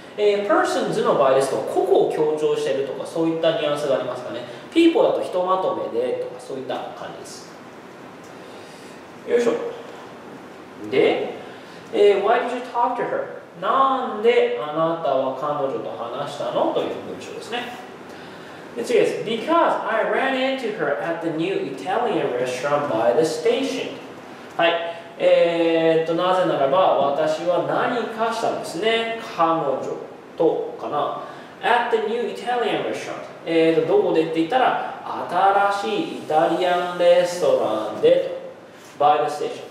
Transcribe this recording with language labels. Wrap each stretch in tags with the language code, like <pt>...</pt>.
<ja>persons の場合ですと、個々を強調しているとか、そういったニュアンスがありますかね。 people だとひとまとめでとか、そういった感じです。よいしょ。</ja> <en>で、why did you talk to her?</en> <ja>なんであなたは彼女と話したのという文章ですね。で次です。</ja> <en>Because I ran into her at the new Italian restaurant by the station.</en> <ja>はい。なぜならば、私は何かしたんですね。彼女とかな。</ja> <en>At the new Italian restaurant。</en> <ja>どこでって言ったら、新しいイタリアンレストランで。</ja> <en>By the station。</en>